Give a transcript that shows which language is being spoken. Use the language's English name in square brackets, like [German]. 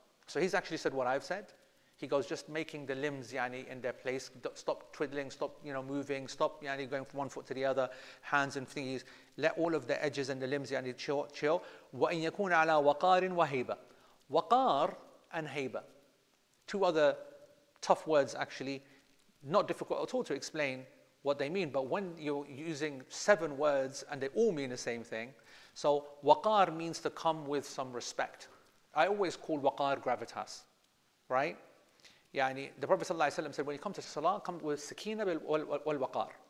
[English] So he's actually said what I've said. He goes, just making the limbs yani in their place. Stop twiddling, stop you know moving, stop yani going from one foot to the other, hands and fingers. Let all of the edges and the limbs yani chill. [Arabic] وإن يكون على وقار وهيبة. وقار and هيبة. [English] Two other tough words actually. Not difficult at all to explain what they mean. But when you're using seven words and they all mean the same thing, so waqar means to come with some respect. I always call waqar gravitas, right? Yani, the Prophet Sallallahu Alaihi Wasallam said, when you come to salah, come with sakina wal waqar.